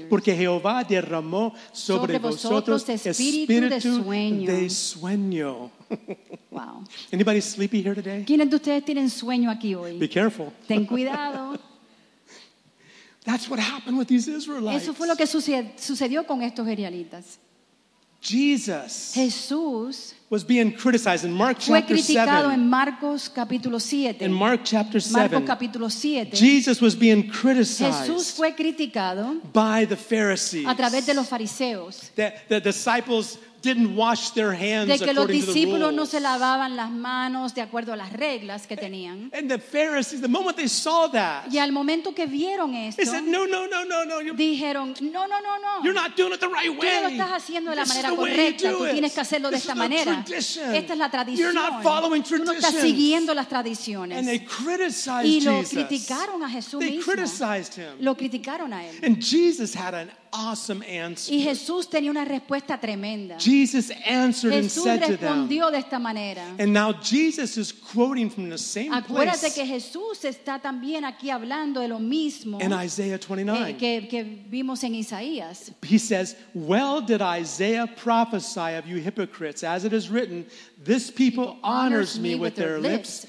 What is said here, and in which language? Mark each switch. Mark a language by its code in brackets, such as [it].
[es] Porque Jehová derramó sobre vosotros espíritu de sueño. [en] Wow. Anybody sleepy here today? [es] ¿Quiénes de ustedes tienen sueño aquí hoy? [en] Be careful. [es] Ten cuidado. [en] That's what happened with these Israelites. [es] Eso fue lo que sucedió con estos israelitas. [en] Jesus. [es] Jesús. [en] Was being criticized in Mark chapter 7. [es] Fue criticado en Marcos capítulo 7. [en] In Mark chapter 7. [es] Marcos capítulo 7. [en] Jesus was being criticized. [es] Jesús fue criticado [en] by the Pharisees. [es] A través de los fariseos. [en] The disciples didn't wash their hands according to the rules. [es] De que los discípulos no se lavaban las manos de acuerdo a las reglas que tenían. [en] And the Pharisees, the moment they saw that, [es] y al momento que vieron esto, [en] they said, no, [es] dijeron, no. [en] You're not doing it the right way. [es] Tú lo estás haciendo de la manera correcta. Tú tienes que hacerlo de esta manera. Esta es la tradición. [en] You're not following traditions. [es] Tú no estás siguiendo las tradiciones. [en] And they criticized Jesus. [es] Y lo criticaron a Jesús mismo. [en] They criticized him. [es] Lo criticaron a él. [en] And Jesus had an awesome answer. [es] Y Jesús tenía una respuesta tremenda. [en] Jesus answered and said to them. [es] Jesús respondió de esta manera. [en] And now Jesus is quoting from the same place. [es] Acuérdate que Jesús está también aquí hablando de lo mismo. [en] In Isaiah 29. [es] Que vimos en Isaías. [en] He says, "Well did Isaiah prophesy of you hypocrites, as it is written, this people honors me with their lips,